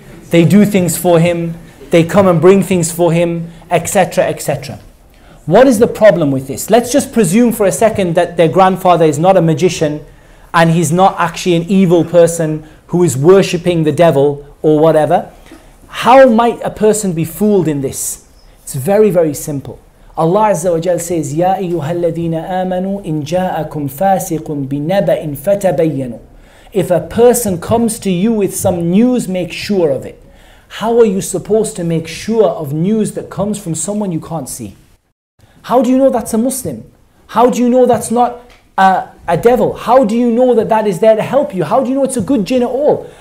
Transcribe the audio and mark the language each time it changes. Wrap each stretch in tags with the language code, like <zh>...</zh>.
<en>They do things for him, they come and bring things for him, etc., etc. What is the problem with this? Let's just presume for a second that their grandfather is not a magician and he's not actually an evil person who is worshipping the devil or whatever. How might a person be fooled in this? It's very, very simple. Allah Azza wa Jal says,</en> <ar>يَا أَيُّهَا الَّذِينَ آمَنُوا إِن جَاءَكُمْ فَاسِقٌ بِنَبَئٍ فَتَبَيَّنُوا.</ar> <en>If a person comes to you with some news, make sure of it. How are you supposed to make sure of news that comes from someone you can't see? How do you know that's a Muslim? How do you know that's not a devil? How do you know that that is there to help you? How do you know it's a good jinn at all?</en>